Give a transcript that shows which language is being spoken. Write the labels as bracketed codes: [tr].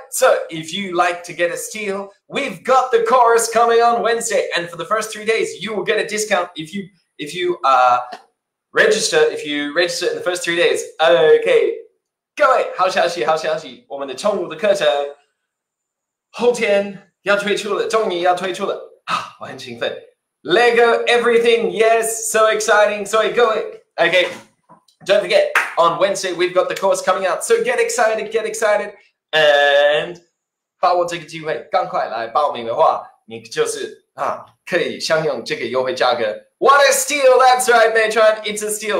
[en] So if you like to get a steal, we've got the course coming on Wednesday, and for the first 3 days, you will get a discount if you register in the first 3 days. [zh] Okay, 各位，好消息，我们的宠物的课程后天要推出了，终于要推出了，我很兴奋。 [en] Lego everything, yes, so exciting. So go it. Okay. Don't forget, on Wednesday, we've got the course coming out. So get excited, and [zh] 把握这个机会，赶快来报名的话，你就是可以享用这个优惠价格。 [en] What a steal! That's right, Matron, it's a steal.